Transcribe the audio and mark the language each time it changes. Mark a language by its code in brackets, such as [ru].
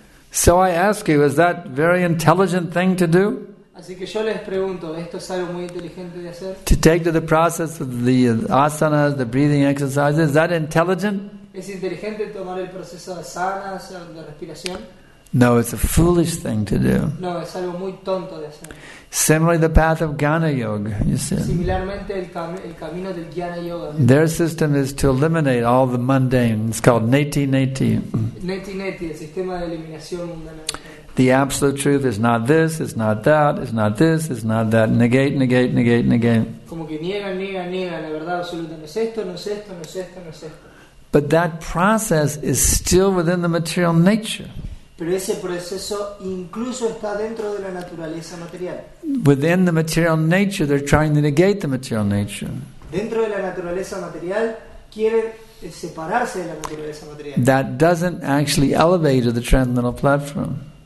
[en] So I ask you, is that very intelligent thing to do? [es] Así que yo les pregunto, ¿esto es algo muy inteligente de hacer? [en] To take to the process of the asanas, the breathing exercises, is that intelligent? [es] ¿Es inteligente tomar el proceso de asanas, de respiración? [en] No, it's a foolish thing to do. [es] No, es algo muy tonto de hacer. [en] Similarly, the path of Jnana Yoga, you see. [es] Similarmente, el camino del Jnana Yoga. [en] Their system is to eliminate all the mundane. It's called neti neti. [es] Neti neti, el sistema de eliminación mundana. [en] The absolute truth is not this, it's not that, it's not this, it's not that. Negate, negate, negate, negate. [es] Como que niega, niega, niega la verdad absoluta. No es esto, no es esto, no es esto, no es esto. [en] But that process is still within the material nature. [es] Pero ese proceso incluso está dentro de la naturaleza material. [en] Within the material nature, they're trying to negate the material nature. [es] Dentro de la naturaleza material, quieren separarse de la naturaleza material. [en] That doesn't actually elevate to the transcendental platform.